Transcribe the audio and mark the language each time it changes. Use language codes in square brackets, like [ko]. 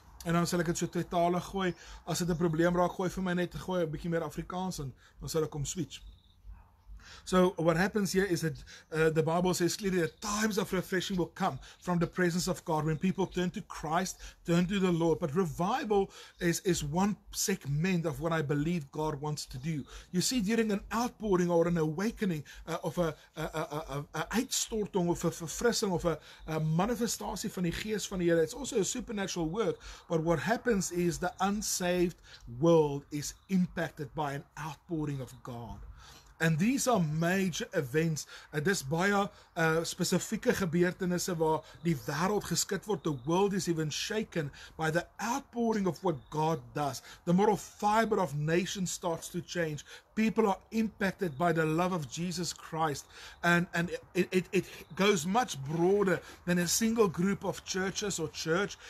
[af] En dan sal ek het so tweetalig gooi, as het een probleem raak, gooi vir my net, gooi een bietjie meer Afrikaans, en dan sal ek om switch. [en] So what happens here is that the Bible says clearly that times of refreshing will come from the presence of God when people turn to Christ, turn to the Lord. But revival is one segment of what I believe God wants to do. You see, during an outpouring or an awakening of a uitstorting of a verfrissing of a [af] manifestatie van die geest van die Here, [en] it's also a supernatural work. But what happens is the unsaved world is impacted by an outpouring of God. And these are major events. [af] Dis baie spesifieke gebeurtenisse waar die wêreld geskud word. [en] The world is even shaken by the outpouring of what God does. The moral fiber of nations starts to change. People are impacted by the love of Jesus Christ. And it goes much broader than a single group of churches or church.